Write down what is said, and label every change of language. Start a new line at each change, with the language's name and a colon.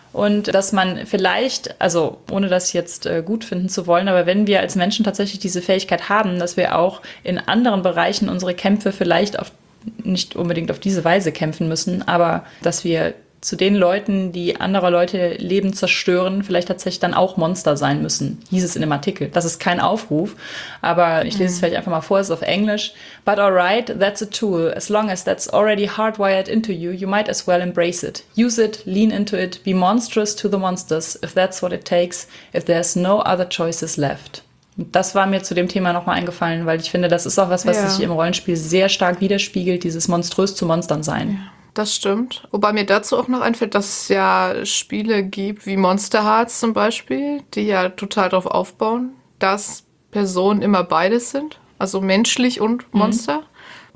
German: Und dass man vielleicht, also ohne das jetzt gut finden zu wollen, aber wenn wir als Menschen tatsächlich diese Fähigkeit haben, dass wir auch in anderen Bereichen unsere Kämpfe vielleicht auf, nicht unbedingt auf diese Weise kämpfen müssen, aber dass wir zu den Leuten, die anderer Leute Leben zerstören, vielleicht tatsächlich dann auch Monster sein müssen, hieß es in dem Artikel. Das ist kein Aufruf, aber ich lese es vielleicht einfach mal vor, es ist auf Englisch.
English: But alright, that's a tool. As long as that's already hardwired into you, you might as well embrace it. Use it, lean into it, be monstrous to the monsters, if that's what it takes, if there's no other choices left.
German: Das war mir zu dem Thema nochmal eingefallen, weil ich finde, das ist auch was, was sich im Rollenspiel sehr stark widerspiegelt, dieses monströs zu Monstern sein. Ja. Das stimmt. Wobei mir dazu auch noch einfällt, dass es ja Spiele gibt wie Monster Hearts zum Beispiel, die ja total darauf aufbauen, dass Personen immer beides sind, also menschlich und Monster. Mhm.